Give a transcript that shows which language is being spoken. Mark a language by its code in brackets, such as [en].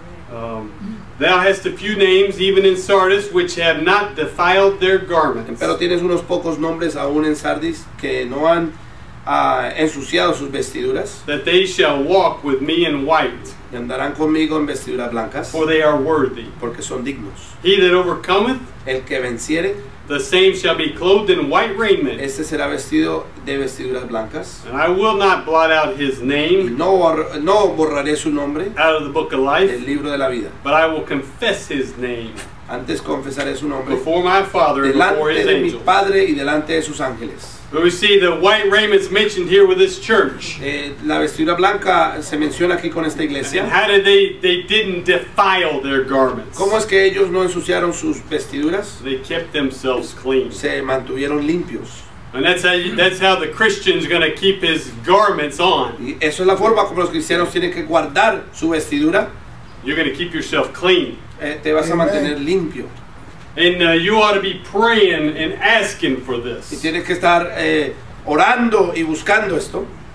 [en] Thou hast a few names even in Sardis which have not defiled their garments. [es] Pero tienes unos pocos nombres aún en Sardis que no han ensuciado sus vestiduras. [en] That they shall walk with me in white. [es] Y andarán conmigo en vestiduras blancas. [en] For they are worthy. [es] Porque son dignos. [en] He that overcometh. [es] El que venciere. [en] The same shall be clothed in white raiment. [es] Este será vestido de vestiduras blancas. [en] And I will not blot out his name. [es] Y no borraré su nombre. [en] Out of the book of life. [es] Del libro de la vida. [en] But I will confess his name. [es] Antes confesaré su nombre. [en] Before my father and before his angels. [es] Delante de mi padre y delante de sus ángeles. [en] But we see the white raiment's mentioned here with this church. [es] La vestidura blanca se menciona aquí con esta iglesia. [en] And how did they didn't defile their garments? [es] ¿Cómo es que ellos no ensuciaron sus vestiduras? [en] They kept themselves clean. [es] Se mantuvieron limpios. [en] And that's how the Christian's going to keep his garments on. [es] Y eso es la forma como los cristianos tienen que guardar su vestidura. [en] You're going to keep yourself clean. [es] Te vas a mantener limpio. [en] And you ought to be praying and asking for this. [es] Y tienes que estar orando y buscando esto.